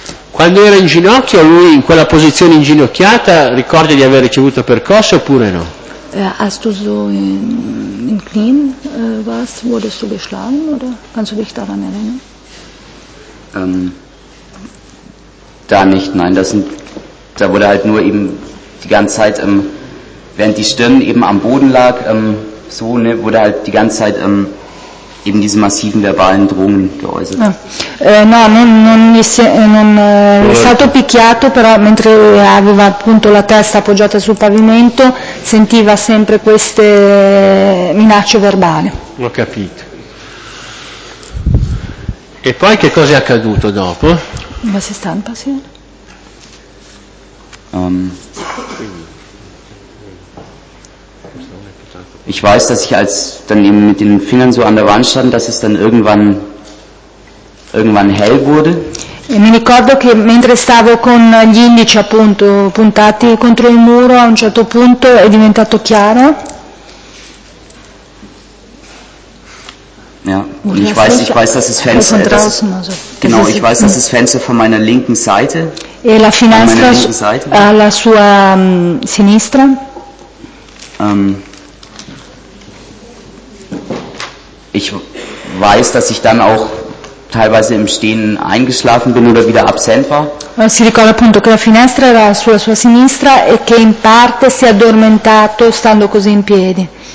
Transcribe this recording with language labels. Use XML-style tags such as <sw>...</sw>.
<it>Quando era in ginocchio, lui in quella posizione inginocchiata ricorda di aver ricevuto percosse oppure no?</it> <de>Da nicht, nein, das sind, da wurde halt nur eben die ganze Zeit, während die Stirn eben am Boden lag, so, ne, wurde halt die ganze Zeit eben diese massiven verbalen Drohungen geäußert.</de> <it>No, non è stato picchiato, però mentre aveva appunto la testa appoggiata sul pavimento, sentiva sempre queste minacce verbali. Ho capito. E poi che cosa è accaduto dopo?</it> <de>Was ist dann passiert? Ich weiß, dass ich als dann eben mit den Fingern so an der Wand stand, dass es dann irgendwann hell wurde.</de> <it>Mi ricordo che mentre stavo con gli indici appunto puntati contro il muro, a un certo punto è diventato chiaro.</it> <de>Ja, und ich weiß, dass das Fenster von meiner linken Seite.</de> <it>E la finestra alla sua sinistra.</it> <de>Ich weiß, dass ich dann auch teilweise im Stehen eingeschlafen bin oder wieder absent war.</de> <it>Si ricorda appunto che la finestra era sulla sua sinistra e che in parte si è addormentato stando così in piedi.</it>